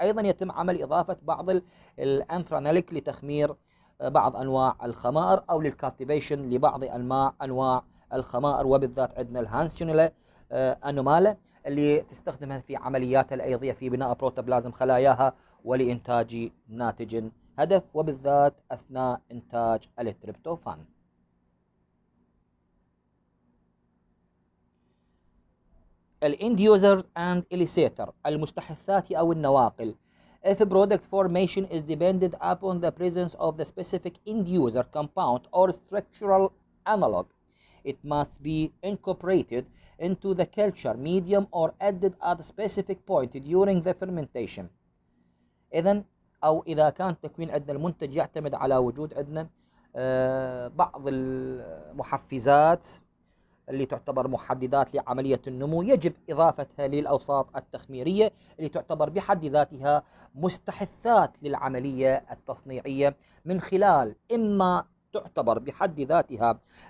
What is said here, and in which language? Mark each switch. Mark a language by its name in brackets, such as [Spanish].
[Arabic] أيضا يتم عمل إضافة بعض الأنثرانيليك لتخمير بعض أنواع الخمائر أو للكالتيفيشن لبعض أنواع الخمائر، وبالذات عندنا الهانسيونيلا أنومالا اللي تستخدمها في عملياتها الأيضية في بناء بروتوبلازم خلاياها ولإنتاج ناتج هدف، وبالذات أثناء إنتاج التريبتوفان. [English] الانديوزر and elicitor [Arabic] المستحثات أو النواقل. [English] If product formation is dependent upon the presence of the specific induced compound or structural analog, it must be incorporated into the culture medium or added at a specific point during the fermentation. [Arabic] إذن أو إذا كان تكوين عندنا المنتج يعتمد على وجود عندنا بعض المحفزات اللي تعتبر محددات لعملية النمو، يجب إضافتها للأوساط التخميرية اللي تعتبر بحد ذاتها مستحثات للعملية التصنيعية من خلال إما تعتبر بحد ذاتها